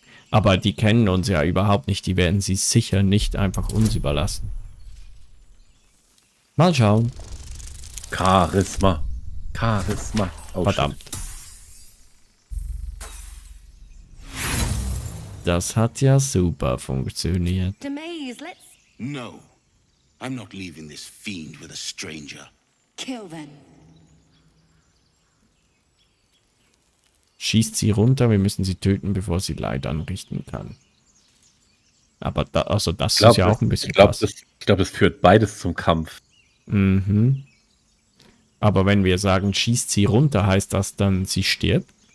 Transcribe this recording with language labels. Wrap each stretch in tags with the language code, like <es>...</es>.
<de>Aber die kennen uns ja überhaupt nicht. Die werden sie sicher nicht einfach uns überlassen. Mal schauen. Charisma. Charisma. Oh, verdammt. Shit. Das hat ja super funktioniert.</de> <en>No. I'm not leaving this fiend with a stranger. Kill then.</en> <de>Schießt sie runter, wir müssen sie töten, bevor sie Leid anrichten kann. Aber da, also das glaub, ist ja auch ein bisschen krass. Ich glaube, das führt beides zum Kampf. Mhm. Aber wenn wir sagen, schießt sie runter, heißt das dann, sie stirbt?</de>